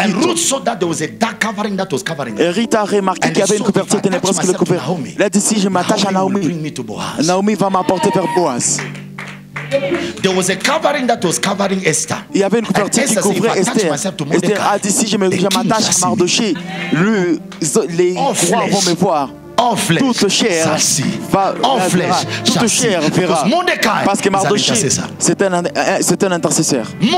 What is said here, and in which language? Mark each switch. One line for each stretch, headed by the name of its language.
English: And Ruth saw that there was a dark covering that was covering her.
French: Rita a remarqué qu'il y avait une couverture qui était presque le couvert. Elle a dit si je m'attache à Naomi, Naomi va m'apporter vers Boaz.
English: There was a covering that was covering Esther.
French: Il y avait une couverture qui couvrait Esther. Esther a dit si je m'attache à Mardoché, les rois vont me voir. En flèche, toute chair va, en flèche, toute chair verra. Parce que Mardoché, c'est un intercesseur.